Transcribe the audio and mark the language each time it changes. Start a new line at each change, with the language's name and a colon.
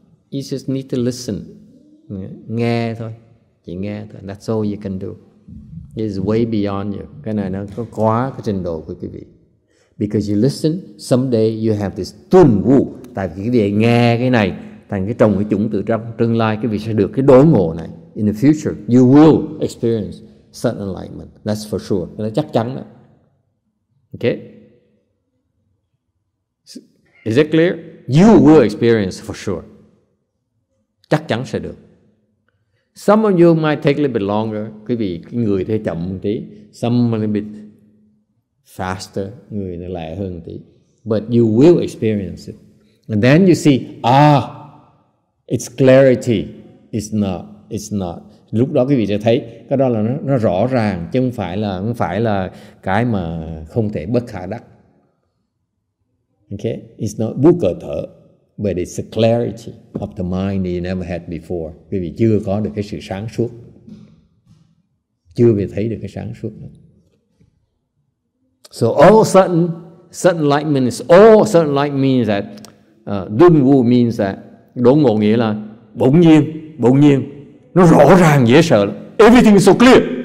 English: You just need to listen.
Vietnamese: Nghe thôi. Chỉ nghe thôi.
English: That's all you can do. It's way beyond you.
Vietnamese: Cái này nó có quá cái trình độ của quý vị.
English: Because you listen, someday you have this tuân vụ.
Vietnamese: Tại vì quý vị nghe cái này, thành cái trồng cái chủng tự trong tương lai, quý vị sẽ được cái đối ngộ này.
English: In the future, you will experience sudden enlightenment. That's for sure.
Vietnamese: Cái đó chắc chắn đó.
English: Okay? Is it clear? You will experience for sure.
Vietnamese: Chắc chắn sẽ được.
English: Some of you might take a little bit longer.
Vietnamese: Quý vị, cái người thì chậm một tí.
English: Some a little bit faster.
Vietnamese: Người nó lẹ hơn một tí.
English: But you will experience it. And then you see, it's clarity. It's not.
Vietnamese: Lúc đó quý vị sẽ thấy, cái đó là nó rõ ràng, chứ không phải là cái mà không thể bất khả đắc.
English: Okay? It's not bu cơ thở. But it's the clarity of the mind that you never had before.
Vietnamese: Quý vị chưa có được cái sự sáng suốt. Chưa bị thấy được cái sáng suốt.
English: So all of a sudden, sudden light means, all sudden light means that, dun wu means that,
Vietnamese: đốn ngộ nghĩa là bỗng nhiên, nó rõ ràng, dễ sợ.
English: Everything is so clear.